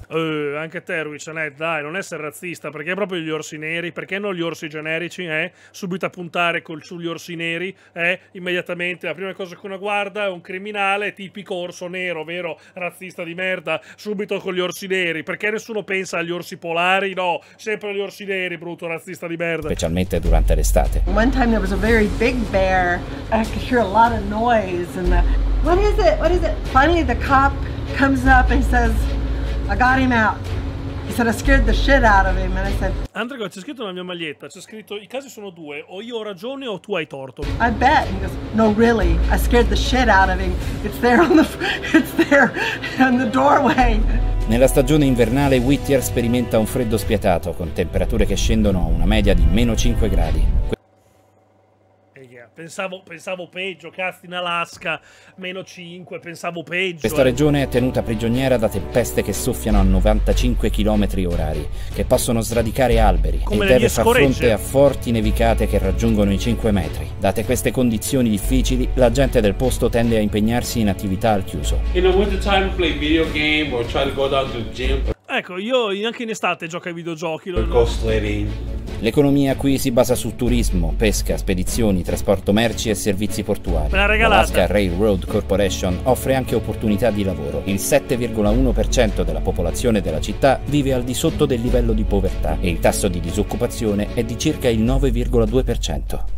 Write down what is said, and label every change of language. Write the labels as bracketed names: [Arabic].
[Italian] Anche te, Ruiz, dai, non essere razzista, perché è proprio gli orsi neri, perché non gli orsi generici, Subito a puntare sugli orsi neri, immediatamente la prima cosa che uno guarda è un criminale, tipico orso nero, vero, razzista di merda, subito con gli orsi neri, perché nessuno pensa agli orsi polari, no, sempre agli orsi neri, brutto razzista di merda. Specialmente durante l'estate. [English] One time there was a very big bear, I could hear a lot of noise and the... What is it? What is it? Finally the cop comes up and says, I got him out. He said I scared the shit out of him and I said. [Italian] Andre, c'è scritto nella mia maglietta, c'è scritto i casi sono due, o io ho ragione o tu hai torto. [English] I bet. He goes, no really, I scared the shit out of him. It's there on the doorway. [Italian] Nella stagione invernale Whittier sperimenta un freddo spietato, con temperature che scendono a una media di meno 5 gradi. Pensavo peggio, cazzo, in Alaska, meno 5, pensavo peggio. Questa regione è tenuta prigioniera da tempeste che soffiano a 95 km orari, che possono sradicare alberi. Come e deve far fronte a forti nevicate che raggiungono i 5 metri. Date queste condizioni difficili, la gente del posto tende a impegnarsi in attività al chiuso. [English] In the winter time play video game or try to go down to the gym. [Italian] Ecco, io anche in estate gioco ai videogiochi. L'economia qui si basa su turismo, pesca, spedizioni, trasporto merci e servizi portuali. Me l'ha regalata. Alaska Railroad Corporation offre anche opportunità di lavoro. Il 7,1% della popolazione della città vive al di sotto del livello di povertà e il tasso di disoccupazione è di circa il 9,2%.